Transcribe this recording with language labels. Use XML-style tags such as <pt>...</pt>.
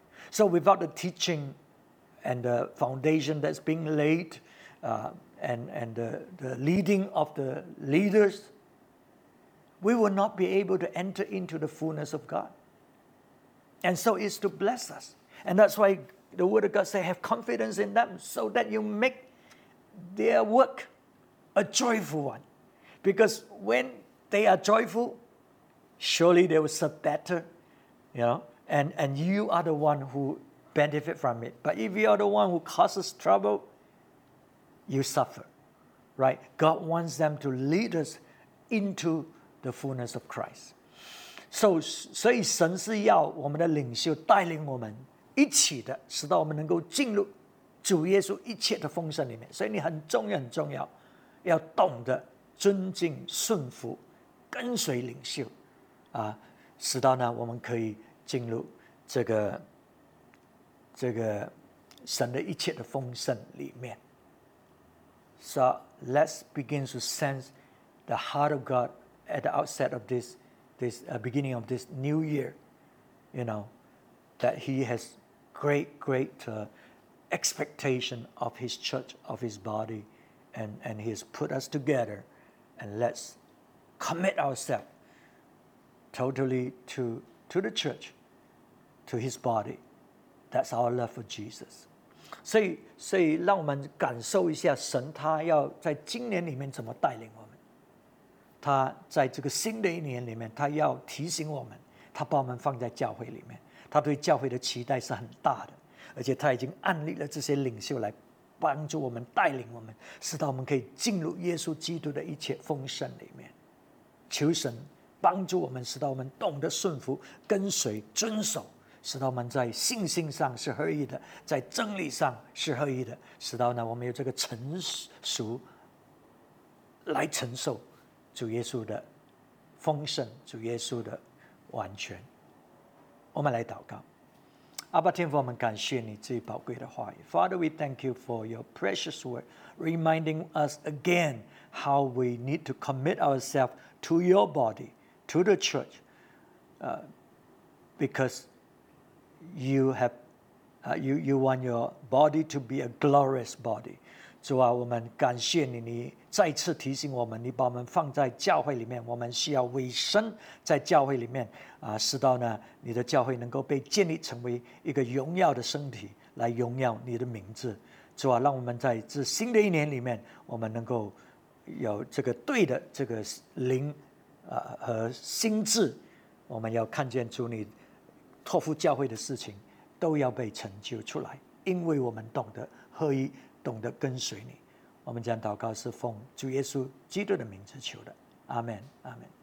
<en>So without the teaching and the foundation that's being laidAnd the leading of the leaders, we will not be able to enter into the fullness of God. And so it's to bless us. And that's why the Word of God says, have confidence in them so that you make their work a joyful one. Because when they are joyful, surely they will serve better. You know? And you are the one who benefit from it. But if you are the one who causes trouble,You suffer, right? God wants them to lead us into the fullness of Christ.</en> <zh>So, 所以神是要我们的领袖带领我们一起的，使到我们能够进入主耶稣一切的丰盛里面。所以你很重要，很重要，要懂得尊敬、顺服、跟随领袖，使到呢，我们可以进入这个神的一切的丰盛里面。</zh> <en>So let's begin to sense the heart of God at the outset of this this beginning of this new year, you know, that he has great, great expectation of his church, of his body, and he has put us together, and let's commit ourselves totally to the church, to his body. That's our love for Jesus.</en> <zh>所以让我们感受一下神他要在今年里面怎么带领我们。他在这个新的一年里面，他要提醒我们，他把我们放在教会里面，他对教会的期待是很大的，而且他已经安立了这些领袖来帮助我们，带领我们，使到我们可以进入耶稣基督的一切丰盛里面。求神帮助我们，使到我们懂得顺服、跟随、遵守，使到我们在信心上是合一的，在真理上是合一的，使到呢我们有这个成熟来承受主耶稣的丰盛、主耶稣的完全。我们来祷告。阿爸天父，我们感谢你这宝贵的话语。</zh> <en>Father, we thank you for your precious word, reminding us again how we need to commit ourselves to your body, to the church, because you want your body to be a glorious body.</en> <zh>主啊，我们感谢你，你再次提醒我们，你把我们放在教会里面，我们需要委身在教会里面，使到呢你的教会能够被建立成为一个荣耀的身体，来荣耀你的名字。主啊，让我们在这新的一年里面，我们能够有这个对的这个灵和心智，我们要看见主你托付教会的事情都要被成就出来，因为我们懂得合一，懂得跟随你。我们将祷告是奉主耶稣基督的名字求的，阿们，阿们。</zh>